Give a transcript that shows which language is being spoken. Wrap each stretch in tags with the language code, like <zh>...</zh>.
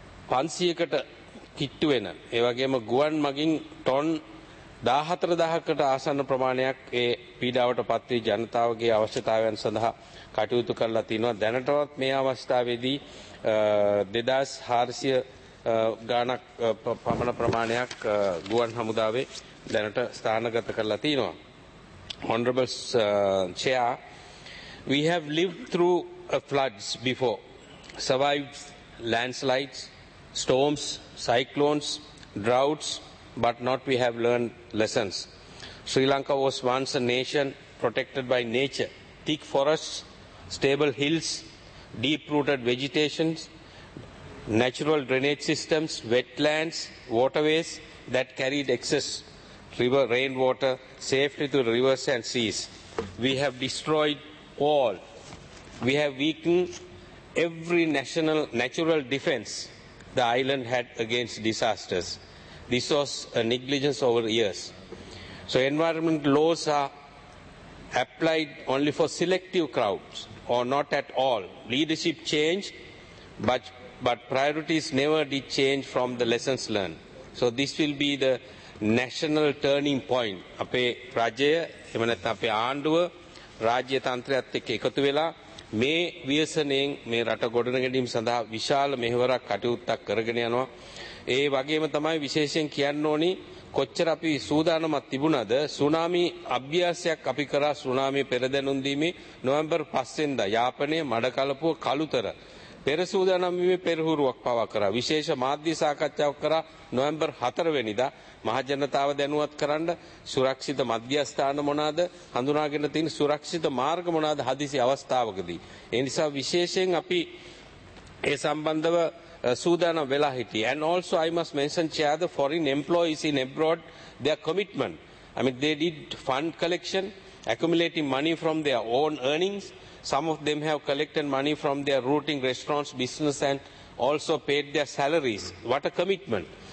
<si>500කට කිට්ටු වෙන, ඒ වගේම ගුවන් මගින් ටොන් 14,000කට ආසන්න ප්‍රමාණයක් ඒ පීඩාවට පත් වී ජනතාවගේ අවශ්‍යතාවයන් සඳහා කටයුතු කරලා තිනවා. දැනටවත් මේ අවස්ථාවේදී 2400 ගණක් පමණ ප්‍රමාණයක් ගුවන් හමුදාවේ දැනට ස්ථානගත කරලා තිනවා.</si> <en>Honorable Chair, we have lived through floods before, survived landslides, storms, cyclones, droughts, but not we have learned lessons. Sri Lanka was once a nation protected by nature, thick forests, stable hills, deep-rooted vegetation, natural drainage systems, wetlands, waterways that carried excess river rainwater safely to the rivers and seas. We have destroyed all. We have weakened every national natural defense the island had against disasters. This was a negligence over years. So environment laws are applied only for selective crowds or not at all. Leadership changed, but priorities never did change from the lessons learned. So this will be the national turning point.</en> <si>Ape rajaya emanath ape aanduwa rajya tantrayat ekka ekathu vela මේ ව්‍යසනයෙන් මේ රට ගොඩනගැනීම සඳහා විශාල මෙහෙවරක් කටයුත්තක් කරගෙන යනවා. ඒ වගේම තමයි විශේෂයෙන් කියන්න ඕනි කොච්චර අපි සූදානම්ක් තිබුණද, සුනාමි අභ්‍යාසයක් අපි කරා. සුනාමි පෙරදැනුම් දීමේ නොවැම්බර් 5 වෙනිදා යාපනය, මඩකලපුව, කළුතර පෙර සූදානම් වීමේ පෙරහුරුවක් පවා කරා. විශේෂ මාධ්‍ය සාකච්ඡාවක් කරා නොවැම්බර් 4 වෙනිදා මහජනතාව දැනුවත් කරන්න සුරක්ෂිත මධ්‍යස්ථාන මොනවාද, හඳුනාගෙන තියෙන සුරක්ෂිත මාර්ග මොනවාද හදිසි අවස්ථාවකදී. ඒ නිසා විශේෂයෙන් අපි ඒ සම්බන්ධව සූදානම් වෙලා හිටියේ.</si> <en>And also I must mention chair the foreign employees in abroad, their commitment. I mean they did fund collection, accumulating money from their own earnings. Some of them have collected money from their routing restaurants, business, and also paid their salaries. What a commitment.</en>